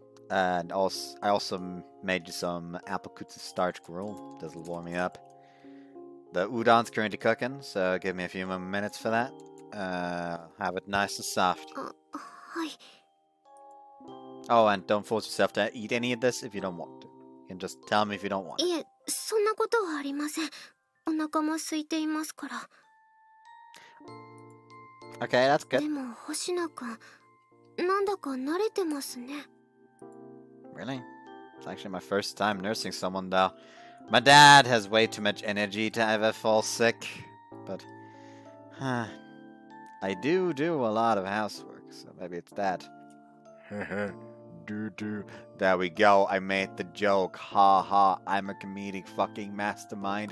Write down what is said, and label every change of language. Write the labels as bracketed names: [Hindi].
[English] And also, I also made you some apple kutsu starch gruel. That'll warm you up. The udon's currently cooking, so give me a few more minutes for that. Have it nice and soft. Hi. Oh, and don't force yourself to eat any of this if you don't want to. You can just tell me if you don't want it. [Japanese] そんなことはありません.お腹も空いていますから. [English] Okay, that's good. [Japanese] でも星野くん、なんだか慣れてますね. [English] Really? It's actually my first time nursing someone, though. My dad has way too much energy to ever fall sick. But, I do a lot of housework, so maybe it's that. There we go, I made the joke. Ha ha, I'm a comedic fucking mastermind.